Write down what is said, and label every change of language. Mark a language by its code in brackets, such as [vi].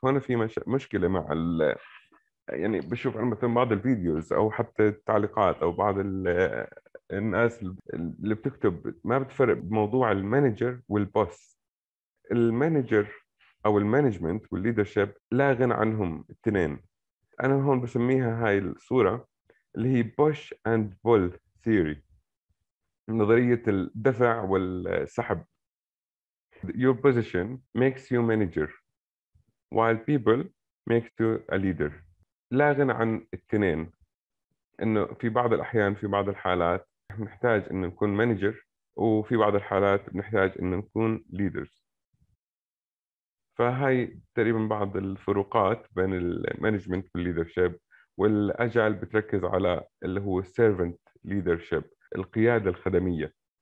[ar] هنا في مشكلة مع يعني بشوف أنا مثلا بعض الفيديوز أو حتى التعليقات أو بعض الناس اللي بتكتب ما بتفرق بموضوع المانجر والبوس. المانجر أو المانجمنت والليدرشيب لا غنى عنهم التنين. أنا هون بسميها هاي الصورة اللي هي [en] push and pull theory, [ar] نظرية الدفع والسحب. [en] Your position makes you manager while people makes you a leader. [ar] لا غنى عن التنين، انه في بعض الاحيان في بعض الحالات نحتاج ان نكون مانجر، وفي بعض الحالات نحتاج ان نكون ليدرز. فهي تقريبا بعض الفروقات بين المانجمنت والليدرشيب، والاجايل بتركز على اللي هو [en] servant leadership, [ar] القياده الخدميه.